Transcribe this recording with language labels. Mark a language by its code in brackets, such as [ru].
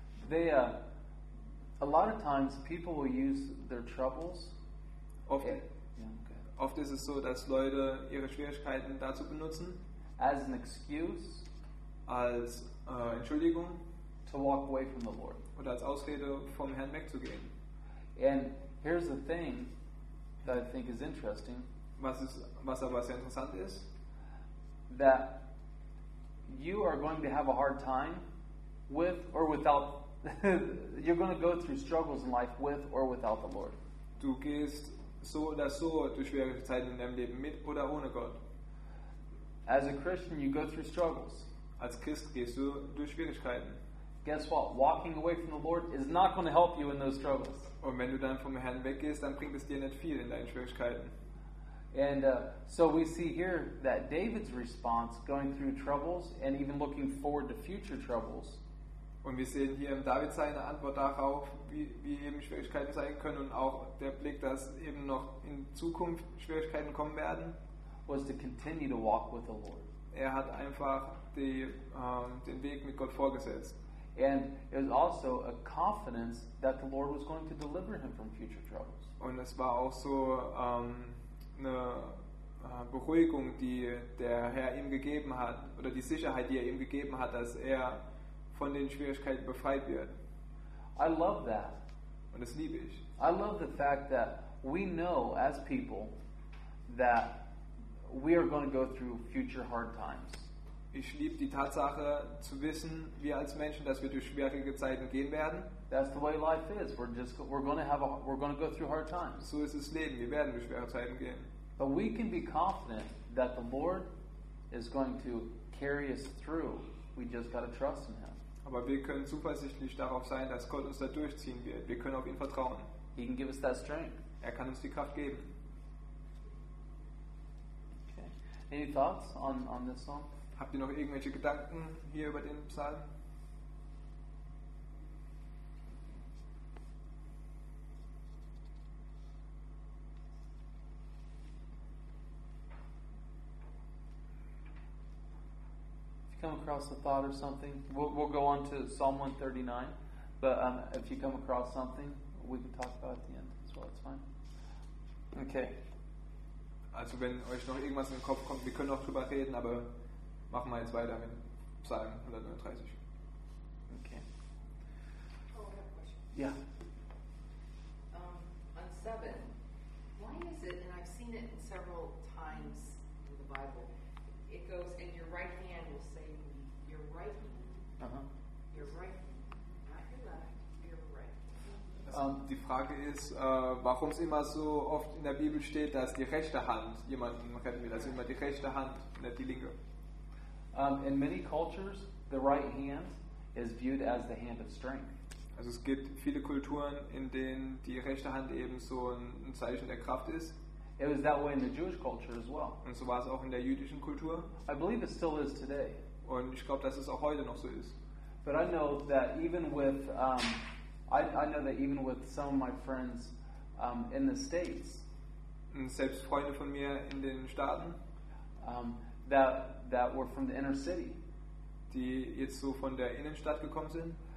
[en] They, a lot of times people will use their troubles. [de] Oft, yeah. Oft ist es so, dass Leute ihre Schwierigkeiten dazu benutzen, [en] as an excuse, [de] als Entschuldigung, [en] to walk away from the Lord. [de] Oder als Ausrede vom Herrn wegzugehen. [en] And here's the thing that I think is interesting. [de] Was aber sehr interessant ist. [en] that you are going to have a hard time with or without. You're going to go through struggles in life with or without the Lord. [de] Du gehst so oder so durch schwere Zeiten in deinem Leben mit oder ohne Gott. [en] As a Christian, you go through struggles. [de] Als Christ gehst du durch Schwierigkeiten. [en] Guess what? Walking away from the Lord is not going to help you in those struggles. [de] Und wenn du dann vom Herrn weggehst, dann bringt es dir nicht viel in deinen Schwierigkeiten. [en] And so we see here that David's response, going through troubles and even looking forward to future troubles. [de] Und wir sehen hier im David seine Antwort darauf, wie eben Schwierigkeiten sein können und auch der Blick, dass eben noch in Zukunft Schwierigkeiten kommen werden. [en] Was to continue to walk with the Lord. [de] Er hat einfach den Weg mit Gott vorgesetzt. [en] And it was also a confidence that the Lord was going to deliver him from future troubles. [de] Und es war auch so eine Beruhigung, die der Herr ihm gegeben hat, oder die Sicherheit, die er ihm gegeben hat, dass er von den Schwierigkeiten befreit wird. [en] I love that. [de] Und das liebe ich. [en] I love the fact that we know as people that we are going to go through future hard times. [de] Ich liebe die Tatsache zu wissen, wir als Menschen, dass wir durch schwierige Zeiten gehen werden. [en] That's the way life is. We're going to go through hard times. [de] So ist das Leben. Wir werden durch schwere Zeiten gehen. [en] But we can be confident that the Lord is going to carry us through. We just got to trust in Him. [de] Aber wir können zuversichtlich darauf sein, dass Gott uns da durchziehen wird. Wir können auf ihn vertrauen. [en] He can give us that strength. [de] Er kann uns die Kraft geben. [en] Okay. Any thoughts on this song? [de] Habt ihr noch irgendwelche Gedanken hier über den Psalm? [en] If you come across a thought or something, we'll go on to Psalm 139. But if you come across something, we can talk about it at the end as well. It's fine. Okay. [de] Also wenn euch noch irgendwas in den Kopf kommt, wir können auch drüber reden, aber machen wir jetzt weiter mit Psalm 139. [en] Okay. Oh, I have a question. Yeah. On 7, why is it, and I've seen it several times in the Bible, it goes, and your right hand will save me. Your right hand. Uh-huh. Your right hand. Not your left, your right hand. [de] Also, die Frage ist, warum es immer so oft in der Bibel steht, dass die rechte Hand jemanden retten will. Also immer die rechte Hand, nicht die linke. [en] In many cultures, the right hand is viewed as the hand of strength. [de] Also es gibt viele Kulturen, in denen die rechte Hand eben so ein Zeichen der Kraft ist. [en] It was that way in the Jewish culture as well. [de] Und so war es auch in der jüdischen Kultur. [en] I believe it still is today. [de] Und ich glaube, dass es auch heute noch so ist. [en] But I know that even with some of my friends in the States. [de] Und selbst Freunde von mir in den Staaten. [en] That were from the inner city, [de] die jetzt so von der Innenstadt gekommen sind,